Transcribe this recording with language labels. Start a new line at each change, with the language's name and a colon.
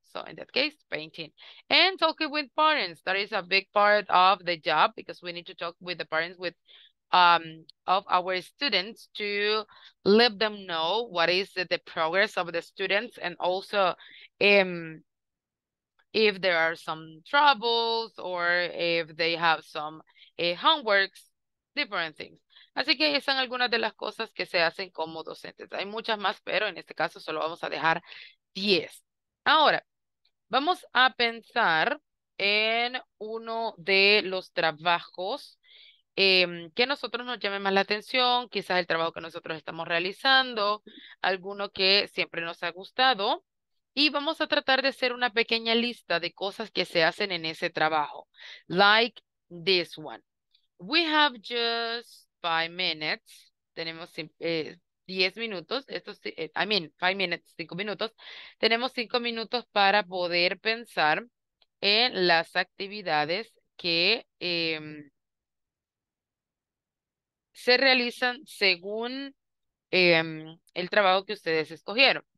English: So in that case, painting. And talking with parents, that is a big part of the job because we need to talk with the parents with of our students to let them know what is the progress of the students and also if there are some troubles or if they have some homeworks. Different things.
Spanish: Así que esas son algunas de las cosas que se hacen como docentes. Hay muchas más, pero en este caso solo vamos a dejar 10. Ahora, vamos a pensar en uno de los trabajos que a nosotros nos llame más la atención, quizás el trabajo que nosotros estamos realizando, alguno que siempre nos ha gustado, y vamos a tratar de hacer una pequeña lista de cosas que se hacen en ese trabajo.
English: Like this one. We have just 5 minutes.
Spanish: Tenemos 10 minutos, esto sí,
English: I mean, 5 minutes,
Spanish: 5 minutos. Tenemos 5 minutos para poder pensar en las actividades que se realizan según el trabajo que ustedes escogieron.